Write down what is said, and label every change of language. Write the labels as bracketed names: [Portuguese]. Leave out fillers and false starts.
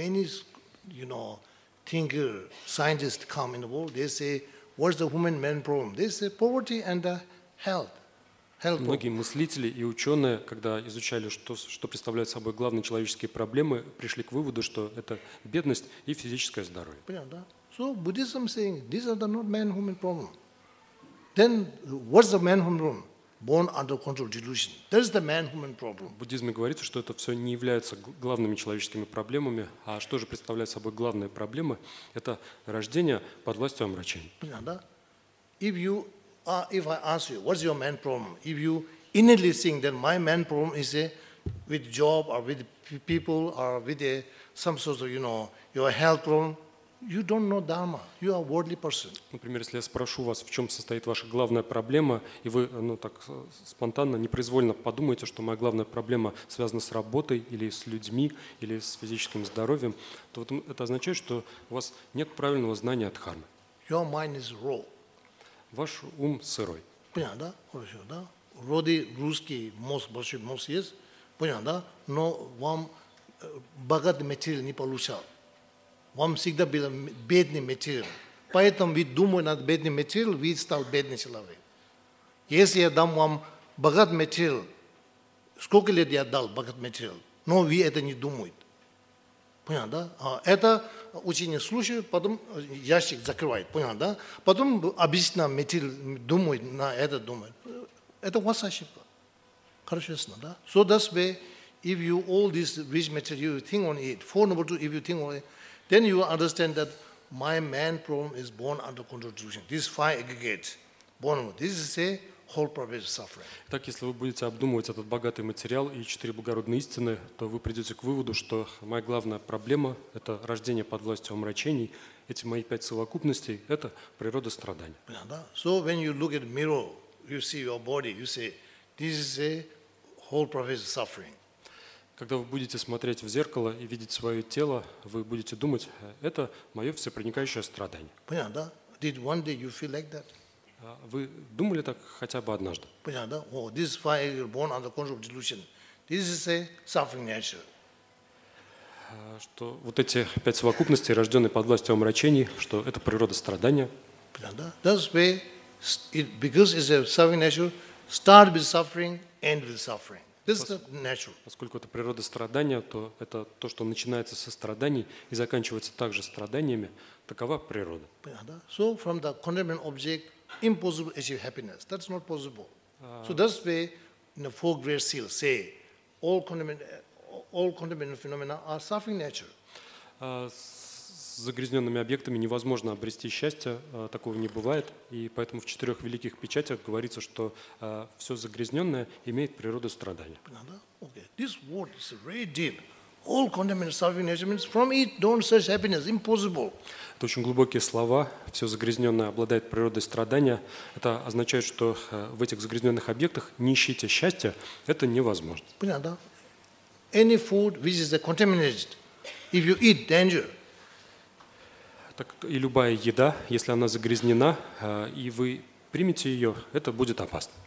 [English] Many, you know, thinker, scientists come in the world. They say, what's the human man problem? They say poverty and health. [Russian] Многие мыслители и ученые, когда изучали, что представляют собой главные человеческие проблемы, пришли к выводу, что это бедность и физическое здоровье. Понятно, да? [English] So Buddhism saying these are not man-human problem. Then what's the man-human problem? Born under control of delusion. That is the man-human problem. [Russian] В буддизме говорится, что это все не является главными человеческими проблемами, а что же представляет собой главные проблемы? Это рождение под властью омрачения. Понятно, да? [English] If I ask you, what's your man problem? If you innately think that my man problem is with job or with people or with some sort of, you know, your health problem, you don't know dharma. You are a worldly person. [Russian] Например, если я спрошу вас, в чем состоит ваша главная проблема, и вы, ну так спонтанно, непроизвольно подумаете, что моя главная проблема связана с работой или с людьми или с физическим здоровьем, то вот это означает, что у вас нет правильного знания о дхарме. [English] Your mind is raw. [Russian] Ваш ум сырой. Понятно, да? Хорошо, да? Вроде русский мозг, большой мозг есть, понятно, да? Но вам богатый материал не получал. Вам всегда был бедный материал. Поэтому вы думаете над бедным материалом, вы стал бедным человеком. Если я дам вам богатый материал, сколько лет я дал богатый материал, но вы это не думаете. Понятно, да? Это учение слушают, потом ящик закрывает, понятно, да? Потом обычно материал думает, на это думает. Это у вас ошибка. Хорошо, да? [English] So that's why, if you all this rich material, you think on it, four number two, if you think on it, then you understand that my man problem is born under control of delusion. This five aggregates, born of this is a whole process of suffering. [Russian] Так, если вы будете обдумывать этот богатый материал и четыре благородные истины, то вы придете к выводу, что моя главная проблема – это рождение под властью омрачений. Эти мои пять совокупностей – это природа страданий. Понятно, да? [English] So when you look at the mirror, you see your body, you say, this is a whole process of suffering. [Russian] Когда вы будете смотреть в зеркало и видеть свое тело, вы будете думать, это мое всепроникающее страдание. Понятно, да? [English] Did one day you feel like that? [Russian] Вы думали так хотя бы однажды? Понятно, да? [English] Oh, this is why you're born under control of delusion. This is a suffering nature. [Russian] Что вот эти пять совокупностей, рожденные под властью омрачений, что это природа страдания. Понятно, да? [English] That's why, because it's a suffering nature, start with suffering, end with suffering. This is natural. [Russian] Поскольку это природа страдания, то это то, что начинается со страданий и заканчивается также страданиями. Такова природа. [English] So from the contentment object, impossible achieve happiness. That's not possible. So that's why in the four great seals say all contentment phenomena are suffering nature. [Russian] Загрязненными объектами невозможно обрести счастье, такого не бывает. И поэтому в четырех великих печатях говорится, что все загрязненное имеет природу страдания. Это очень глубокие слова. Все загрязненное обладает природой страдания. Это означает, что в этих загрязненных объектах не ищите счастья, это невозможно. Понятно? [English] Any food which is contaminated, if you eat, danger. [Russian] Так и любая еда, если она загрязнена, и вы примете ее, это будет опасно.